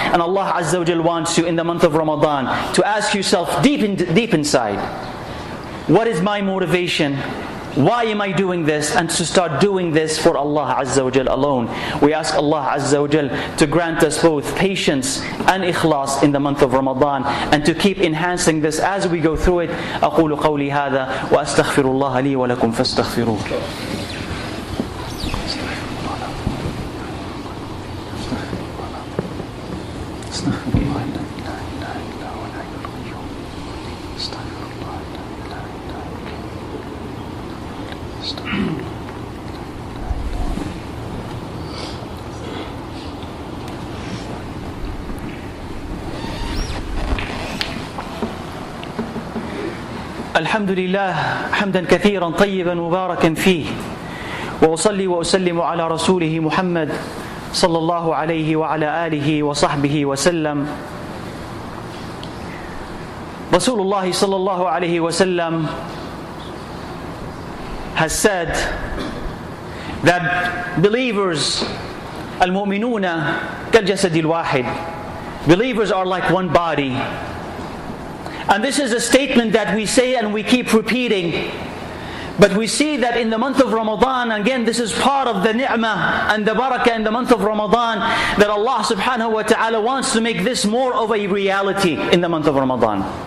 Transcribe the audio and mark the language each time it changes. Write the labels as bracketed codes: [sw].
[en] And Allah Azza wa Jal wants you in the month of Ramadan to ask yourself deep inside, what is my motivation? Why am I doing this? And to start doing this for Allah Azza wa Jal alone. We ask Allah Azza wa Jal to grant us both patience and ikhlas in the month of Ramadan and to keep enhancing this as we go through it. [ar] أقول قولي هذا وأستغفر الله لي ولكم فاستغفروه. الحمد لله حمدا كثيرا طيبا مباركا فيه وأصلي وأسلم على رسوله محمد صلى الله عليه وعلى آله وصحبه وسلم رسول الله صلى الله عليه وسلم [en] has said that believers [ar] المؤمنون كالجسد الواحد [en] believers are like one body. And this is a statement that we say and we keep repeating. But we see that in the month of Ramadan, again, this is part of the ni'mah and the barakah in the month of Ramadan, that Allah subhanahu wa ta'ala wants to make this more of a reality in the month of Ramadan.